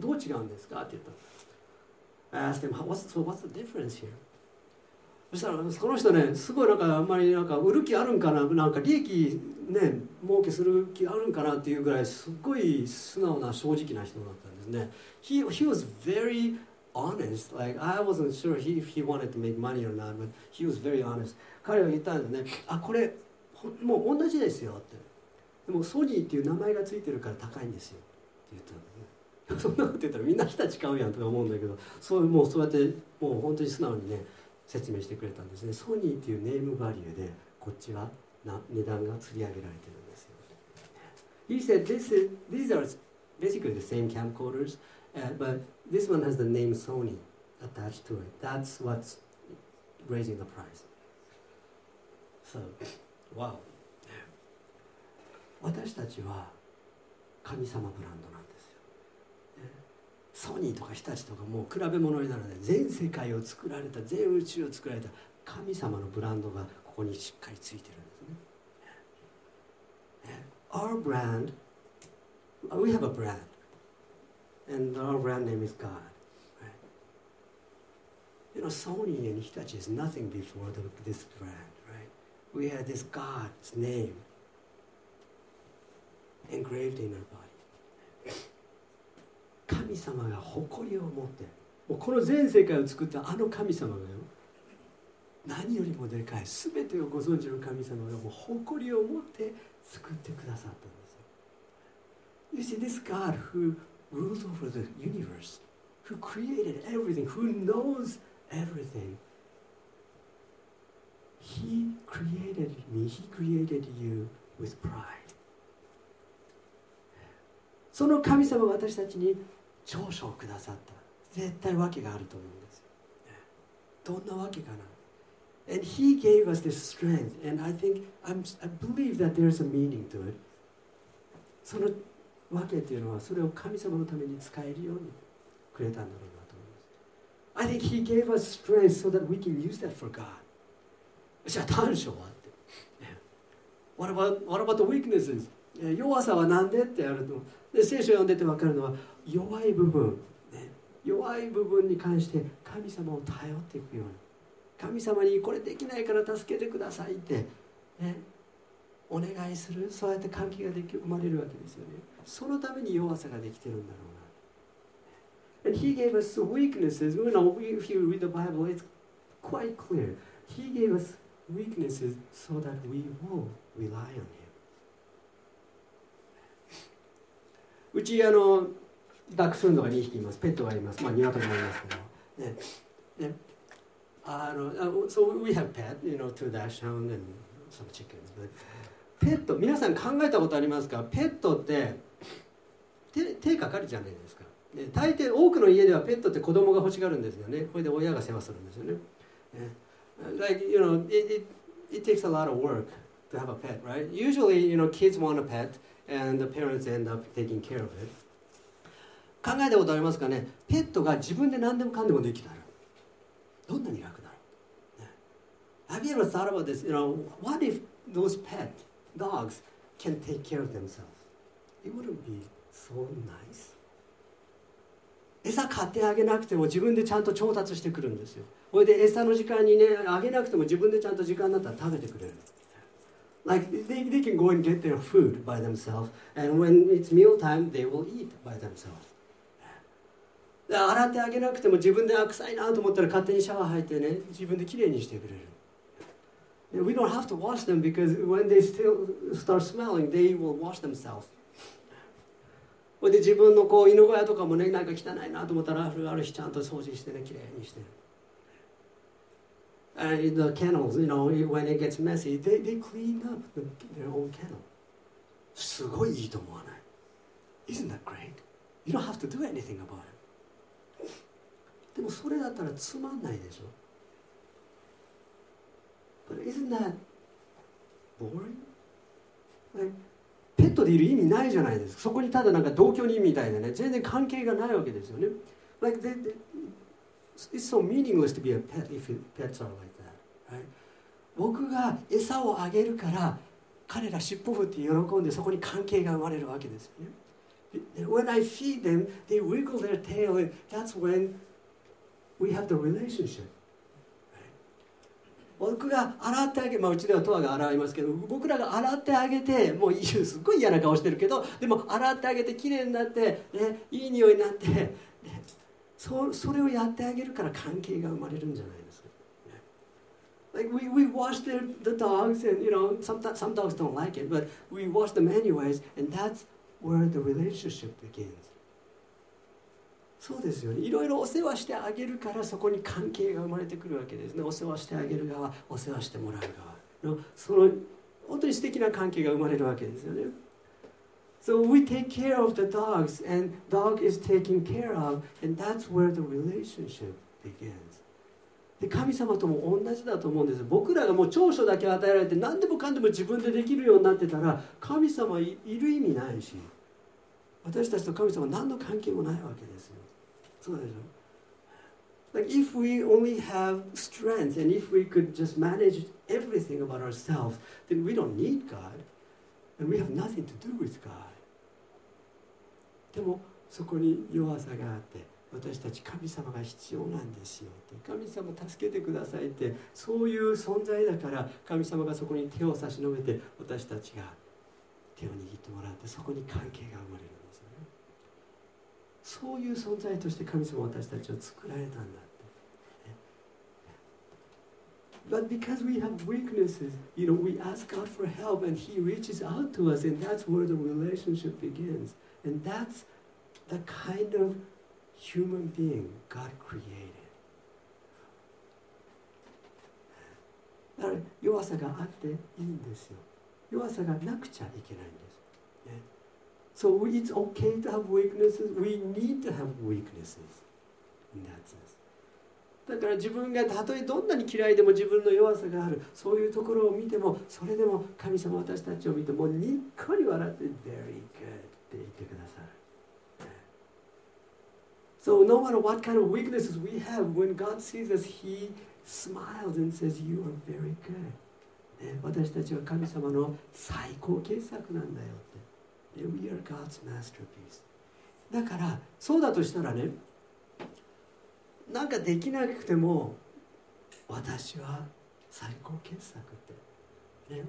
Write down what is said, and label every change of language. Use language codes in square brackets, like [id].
[ja] どう違うんですか？って言った。 [en] I asked him, what's the difference here? [ja] そしたらその人ね、すごいなんかあんまりなんか売る気あるんかな、なんか利益ね、儲けする気あるんかなっていうぐらい、すごい素直な正直な人だったんですね。 [en] He was veryHonest, like I wasn't sure if he wanted to make money or not, but he was very honest. [ja] 彼は言ったんですね。あ、これもう同じですよって。でもソニーっていう名前がついてるから高いんですよって言ったんですね。そんなこと言ったらみんな人たち買うやんとか思うんだけど、そういうもうそうやってもう本当に素直にね説明してくれたんですね。ソニーっていうネームバリューでこっちは値段が釣り上げられてるんですよ。 [en] He said, these are basically the same camcorders. But this one has the name Sony attached to it. That's what's raising the price. So, wow. [ja] 私たちは神様ブランドなんですよ。ソニーとか日立とかもう比べ物になるので、全世界を作られた、全宇宙を作られた神様のブランドがここにしっかりついてるんですね。 [en] Our brand, we have a brand. And our brand name is God.、Right? You know, Sony and Hitachi is nothing before this brand, right? We have this God's name engraved in our body. [ja] 神様が誇りを持って、もうこの全世界を作ったあの神様がよ、何よりもでかい、すべてをご存知の神様がもう誇りを持って作ってくださったんですよ。 [en] You see, this God whorules over the universe, who created everything, who knows everything. He created me, he created you with pride. [ja] その神様が私たちに長所をくださった。絶対訳があると思うんです。どんな訳かな。 [en] And he gave us this strength. And I think, I believe that there's a meaning to it. [ja] そのわけっていうのは、それを神様のために使えるようにくれたんだろうなと思います。 [en] I think he gave us strength so that we can use that for God. [ja] じゃあ短所はって。 [en] What about the weaknesses? [ja] 弱さはなんでってあると。で、聖書を読んでてわかるのは、弱い部分、ね、弱い部分に関して神様を頼っていくように。神様にこれできないから助けてくださいって、ね、お願いする。そうやって関係ができ生まれるわけですよね。そのために弱さができてるんだろうな。 [en] And he gave us weaknesses. You know, if you read the Bible, it's quite clear. He gave us weaknesses so that we will rely on him. [ja] うちあのダックスフンドが2匹います。ペットがいます。まあ鶏もいますけど。ね。ね。 [en] So we have pet, you know, two dachshund and some chickens. [ja] But ペット、皆さん考えたことありますか？ペットって手かかるじゃないですか。ね、大抵多くの家ではペットって子供が欲しがるんですよね。これで親が世話するんですよね。 [en] ね、like you know, it takes a lot of work to have a pet, right? Usually, you know, kids want a pet, and the parents end up taking care of it. [ja] 考えたことありますかね？ペットが自分で何でもかんでもできたら。どんなに楽だろう。 [en] Have you ever thought about this? You know, what if those pet dogs can take care of themselves? It wouldn't be so nice. [ja] 餌買ってあげなくても自分でちゃんと調達してくるんですよ。それで餌の時間にね、あげなくても自分でちゃんと時間になったら食べてくれる。 [en] Like they can go and get their food by themselves, and when it's meal time, they will eat by themselves. [ja] 洗ってあげなくても自分で臭いなと思ったら勝手にシャワー入ってね、自分できれいにしてくれる。 [en] We don't have to wash them because when they still start smelling, they will wash themselves. [ja] それで自分のこう犬小屋とかもね、なんか汚いなと思ったらある日ちゃんと掃除してね、きれいにして。 [en] And the kennels, you know, when it gets messy, they clean up their own kennel. [ja] すごいいいと思わない？ [en] Isn't that great? You don't have to do anything about it. [ja] でもそれだったらつまんないでしょ。 [en] But isn't that boring? [ja] Like, ペットでいる意味ないじゃないですか。そこにただなんか同居人みたいでね、全然関係がないわけですよね。 [en] Like, it's so meaningless to be a pet if pets are like that, right? [ja] 僕が餌をあげるから彼ら尻尾振って喜んでそこに関係が生まれるわけですよね。 [en] When I feed them, they wiggle their tail, and that's when we have the relationship. [ja] 僕が洗ってあげ、まあうちではトアが洗いますけど、僕らが洗ってあげて、もうすっごい嫌な顔してるけど、でも洗ってあげて綺麗になって、ね、いい匂いになって、ね、それをやってあげるから関係が生まれるんじゃないですか。 [en] Like we wash the dogs, and you know some dogs don't like it, but we wash them anyways, and that's where the relationship begins. [ja] そうですよね。いろいろお世話してあげるからそこに関係が生まれてくるわけですね。お世話してあげる側、お世話してもらう側の、その本当に素敵な関係が生まれるわけですよね。 [en] So we take care of the dogs and dog is taken care of and that's where the relationship begins. [ja] で、神様とも同じだと思うんです。僕らがもう長所だけ与えられて何でもかんでも自分でできるようになってたら神様いる意味ないし、私たちと神様何の関係もないわけですよ。そうでしょ。 [en] Like if we only have strength and if we could just manage everything about ourselves, then we don't need God and we have nothing to do with God. [ja] でもそこに弱さがあって、私たち神様が必要なんですよって、神様助けてくださいって、そういう存在だから神様がそこに手を差し伸べて、私たちが手を握ってもらって、そこに関係が生まれる。そういう存在として神様は私たちを作られたんだって。 [en] But because we have weaknesses, you know, we ask God for help and He reaches out to us and that's where the relationship begins. And that's the kind of human being God created. [ja] だから弱さがあっていいんですよ。弱さがなくちゃいけないんです。 [en] So it's okay to have weaknesses. We need to have weaknesses in that sense. [ja] だから自分がたとえどんなに嫌いでも自分の弱さがあるそういうところを見てもそれでも神様私たちを見てもにっこり笑って [en] Very good [ja] って言ってくださる。 [en] So no matter what kind of weaknesses we have, when God sees us, He smiles and says, You are very good. [ja] 私たちは神様の最高傑作なんだよって。 [en] We are God's masterpiece. [ja] だから、そうだとしたらね、なんかできなくても、私は最高傑作って、ね。